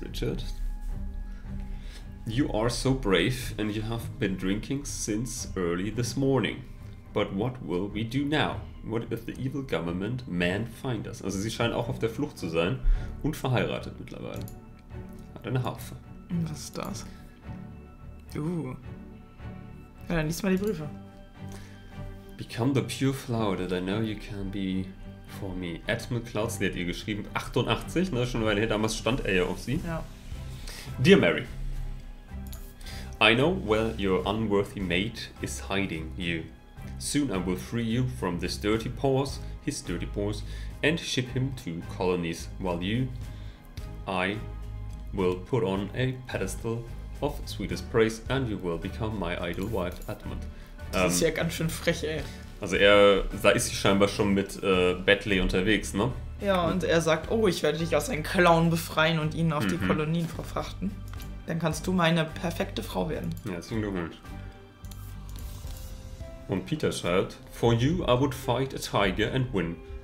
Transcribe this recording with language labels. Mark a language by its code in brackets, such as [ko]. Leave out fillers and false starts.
[en] Richard, you are so brave and you have been drinking since early this morning. But what will we do now? What if the evil government man find us? [de] Also sie scheinen auch auf der Flucht zu sein und verheiratet mittlerweile. Hat eine Harfe. Was ist das? Ja, dann liest mal die Briefe. [en] Become the pure flower that I know you can be for me. [de] Edmund Cloudsley hat ihr geschrieben, 88, ne, schon eine Weile her, damals stand er ja auf sie. Ja. [en] Dear Mary, I know where your unworthy mate is hiding you. Soon I will free you from this dirty paws, his dirty paws, and ship him to colonies, while I will put on a pedestal of sweetest praise and you will become my idol wife, Edmund. [de] Das ist ja ganz schön frech, ey. Also er, da ist sie scheinbar schon mit Battley unterwegs, ne? Ja, und er sagt, oh, ich werde dich aus seinen Klauen befreien und ihn auf die Kolonien verfrachten. Dann kannst du meine perfekte Frau werden. Ja, ist ein Glückwunsch. Und Peter schreibt, [en] for you I would fight a tiger and win.